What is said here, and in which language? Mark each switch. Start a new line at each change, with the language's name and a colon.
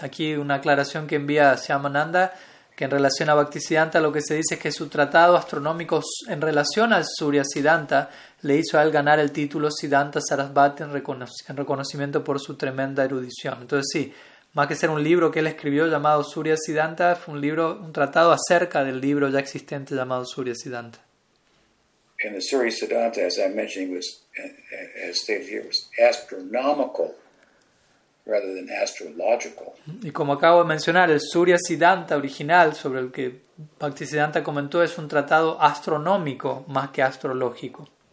Spanish: Aquí una aclaración que envía Syamananda, que en relación a Bhaktisiddhanta lo que se dice es que su tratado astronómico en relación al Surya Siddhanta le hizo a él ganar el título Siddhanta Sarasvati en reconocimiento por su tremenda erudición. Entonces sí, más que ser un libro que él escribió llamado Surya Siddhanta, fue un tratado acerca del libro ya existente llamado Surya Siddhanta.
English: And the Surya Siddhanta, as I mentioned, as stated here, was astronomical rather than astrological.
Spanish: Y como acabo de mencionar, el Surya Siddhanta original sobre el que Bhaktisiddhanta comentó es un tratado astronómico más que astrológico.